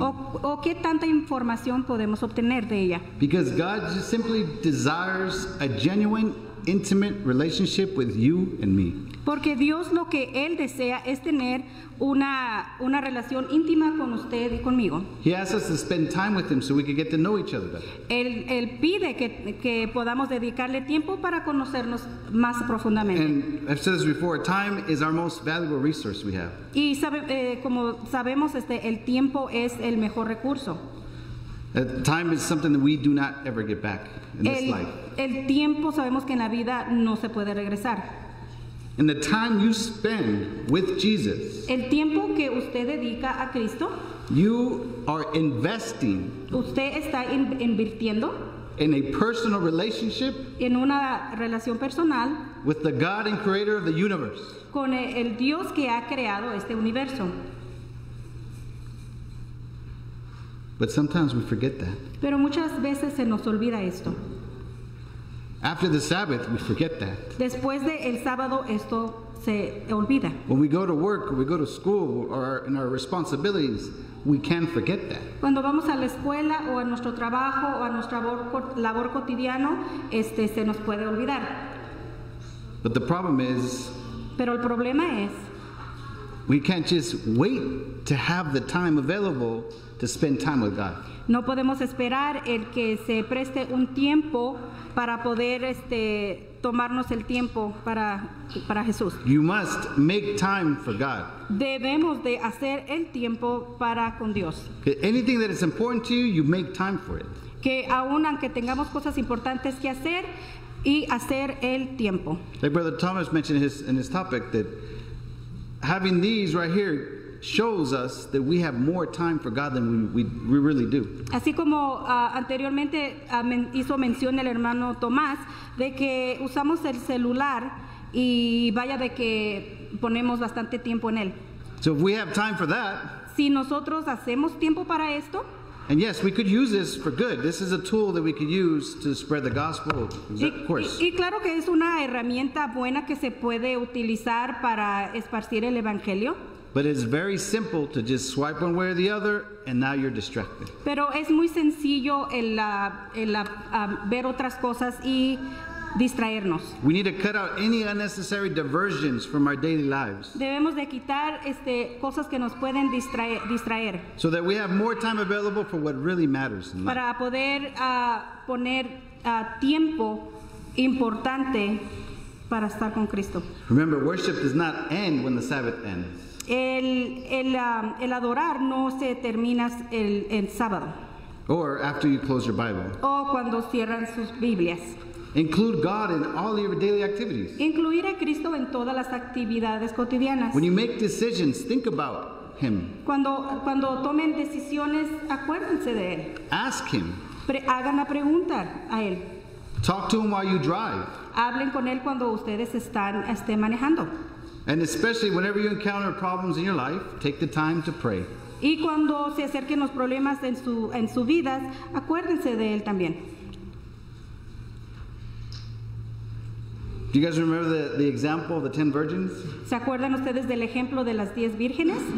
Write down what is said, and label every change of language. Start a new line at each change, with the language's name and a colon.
Spanish: o qué tanta información podemos obtener de ella.
English: Because God just simply desires a genuine, intimate relationship with you and me.
Spanish: Porque Dios lo que Él desea es tener una relación íntima con usted y conmigo.
English: He asks us to spend time with Him so we can get to know each other better.
Spanish: Él pide que podamos dedicarle tiempo para conocernos más profundamente.
English: And I've said this before, time is our most valuable resource we have.
Spanish: Y como sabemos, el tiempo es el mejor recurso.
English: Time is something that we do not ever get back in this life.
Spanish: El tiempo sabemos que en la vida no se puede regresar.
English: And the time you spend with Jesus,
Spanish: el tiempo que usted dedica a Cristo,
English: you are investing.
Spanish: Usted está invirtiendo
English: in a personal relationship,
Spanish: en una relación personal,
English: with the God and Creator of the universe,
Spanish: con el Dios que ha creado este universo.
English: But sometimes we forget that.
Spanish: Pero muchas veces se nos olvida esto.
English: After the Sabbath, we forget that.
Spanish: Después de el sábado, esto se olvida.
English: When we go to work, or we go to school, or in our responsibilities, we can forget that.
Spanish: Cuando vamos a la escuela, o a nuestro trabajo, o a nuestra labor cotidiano, se nos puede olvidar.
English: But the problem is,
Spanish: pero el problema es,
English: we can't just wait to have the time available to spend time with God.
Spanish: No podemos esperar el que se preste un tiempo para poder tomarnos el tiempo para Jesús.
English: You must make time for God.
Spanish: Debemos de hacer el tiempo para con Dios.
English: Anything that is important to you, you make time for it.
Spanish: Que aun aunque tengamos cosas importantes que hacer y hacer el tiempo.
English: Like Brother Thomas mentioned in his topic that having these right here shows us that we have more time for God than we really do.
Spanish: Así como anteriormente hizo mención el hermano Tomás de que usamos el celular y vaya de que ponemos bastante tiempo en él.
English: So if we have time for that,
Spanish: si nosotros hacemos tiempo para esto,
English: and yes, we could use this for good. This is a tool that we could use to spread the gospel, of course.
Spanish: Y claro que es una herramienta buena que se puede utilizar para esparcir el evangelio.
English: But it's very simple to just swipe one way or the other, and now you're distracted.
Spanish: Pero es muy sencillo ver otras cosas y distraernos.
English: We need to cut out any unnecessary diversions from our daily lives.
Spanish: Debemos de quitar cosas que nos pueden distraer.
English: So that we have more time available for what really matters in life.
Spanish: Para poder poner tiempo importante para estar con Cristo.
English: Remember, worship does not end when the Sabbath ends.
Spanish: El adorar no se termina el sábado.
English: Or after you close your Bible.
Spanish: O cuando cierran sus Biblias.
English: Include God in all your daily activities.
Spanish: Incluir a Cristo en todas las actividades cotidianas.
English: When you make decisions, think about Him.
Spanish: Cuando tomen decisiones, acuérdense de Él.
English: Ask Him.
Spanish: Hagan la pregunta a Él.
English: Talk to Him while you drive.
Spanish: Hablen con Él cuando ustedes están manejando.
English: And especially whenever you encounter problems in your life, take the time to pray.
Spanish: Y cuando se acerquen los problemas en su vida, acuérdense de él también.
English: Do you guys remember the example of the 10 virgins?
Spanish: ¿Se acuerdan ustedes del ejemplo de las 10 vírgenes?